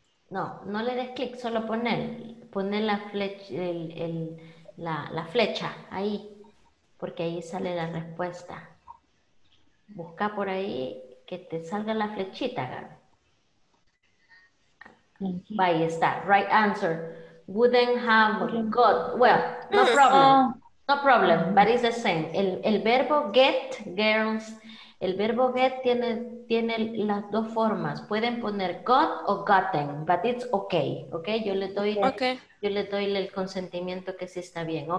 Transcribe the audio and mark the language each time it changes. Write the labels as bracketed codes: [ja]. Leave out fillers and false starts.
[es] No, no le des clic, solo poner la flecha, la flecha ahí, porque ahí sale la respuesta. Busca por ahí que te salga la flechita, Gaby. Ahí está, [en] right answer. Wouldn't have got, well, no problem, no problem, but it's the same. [es] El verbo get, girls, el verbo get tiene las dos formas. Pueden poner got o gotten, [en] but it's okay. [es] Okay, yo le doy el consentimiento que sí está bien.